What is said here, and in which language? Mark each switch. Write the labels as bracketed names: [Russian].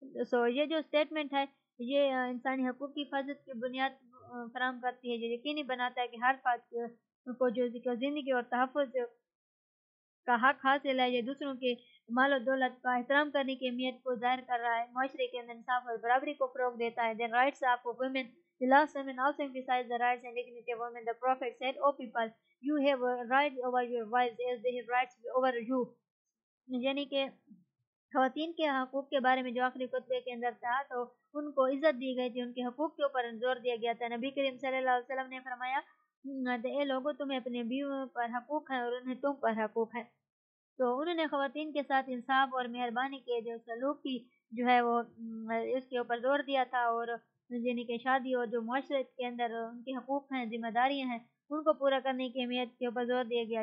[Urdu] سو یہ جو اسٹیٹمنٹ ہے یہ انسانی حقوق کی حفاظت کی بنیاد فراہم کرتی ہے, جو یقینی بناتا ہے کہ ہر فرد کو جو زندگی اور تحفظ کا حق حاصل ہے, یہ دوسروں کے مال و دولت کا احترام کرنے کی اہمیت کو ظاہر کر رہا ہے, معاشرے کے اندر انصاف اور برابری کو فروغ دیتا ہے. [English] Then rights of women The last sermon also emphasized the rights and dignity of women. The Prophet said, O people, you have rights over your wives as they have rights over you. [Urdu] یعنی کہ خواتین کے حقوق کے بارے میں جو آخری خطبے کے اندر تھا تو ان کو عزت دی گئی تھی, ان کے حقوق کے اوپر زور دیا گیا تھا. نبی کریم صلی اللہ علیہ وسلم نے فرمایا اے لوگوں تمہیں اپنے بیویوں پر حقوق ہیں اور انہیں تم پر حقوق ہیں. تو انہوں نے خواتین کے ساتھ انصاف اور مہربانی کے جو سلوک کی جو ہے وہ اس کے اوپر زور دیا تھا, اور یعنی کہ شادی اور جو معاشرے کے اندر ان کے حقوق ہیں ذمہ داریاں ہیں ان کو پورا کرنے کی اہمیت کے اوپر زور دیا گیا.